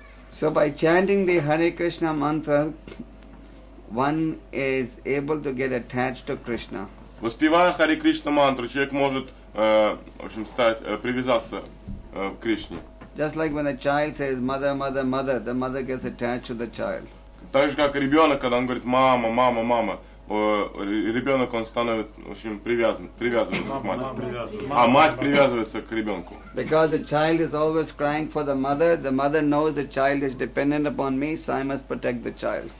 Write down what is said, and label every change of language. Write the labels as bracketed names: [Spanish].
[English] So by chanting the Hare Krishna mantra, one is able to get attached to Krishna. [Russian] Воспевая Хари Кришна мантру, человек может в общем стать привязаться к Кришне. [English] Just like when a child says mother, mother, mother, the mother gets attached to the child. [Russian] Так же, как ребенок, когда он говорит «мама, мама, мама», ребенок, он становится очень привязывается мама, к матери. Мама, а мать привязывается к ребенку. [English] Because the child is always crying for the mother knows the child is dependent upon me, so I must protect the child.